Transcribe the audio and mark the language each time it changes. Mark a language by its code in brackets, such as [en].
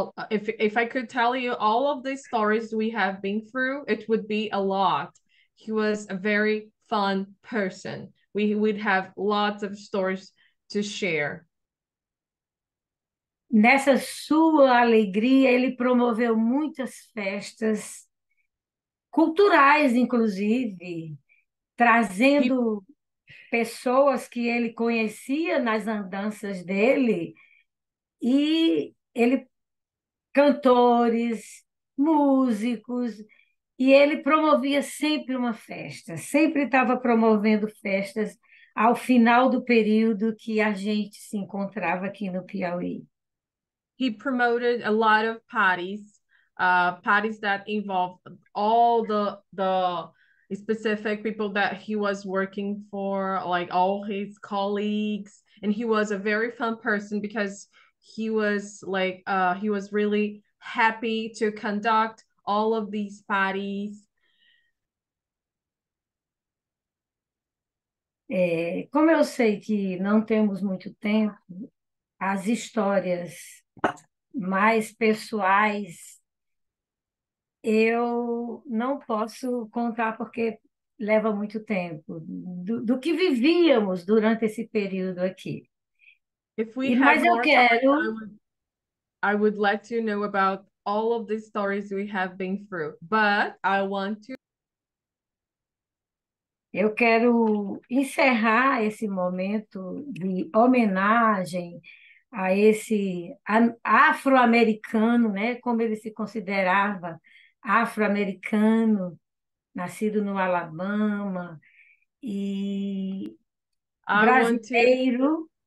[en] If I could tell you all of the stories we have been through, it would be a lot. He was a very fun person. We would have lots of stories to share. [pt] Nessa sua alegria, ele promoveu muitas festas culturais, inclusive, trazendo pessoas que ele conhecia nas andanças dele, e ele cantores, músicos, e ele promovia sempre uma festa, sempre estava promovendo festas ao final do período que a gente se encontrava aqui no Piauí. [en] He promoted a lot of parties, parties that involved all the specific people that he was working for, like all his colleagues, and he was a very fun person because he was like he was really happy to conduct all of these parties. [pt] É, como eu sei que não temos muito tempo, as histórias mais pessoais eu não posso contar porque leva muito tempo do que vivíamos durante esse período aqui. [en] If we [pt] Mas [en] have [pt] eu [en] more [pt] quero... [en] time, I would let you know about all of the stories we have been through. But I want to... [pt] Eu quero encerrar esse momento de homenagem a esse afro-americano, né? Como ele se considerava, afro-americano, nascido no Alabama e brasileiro.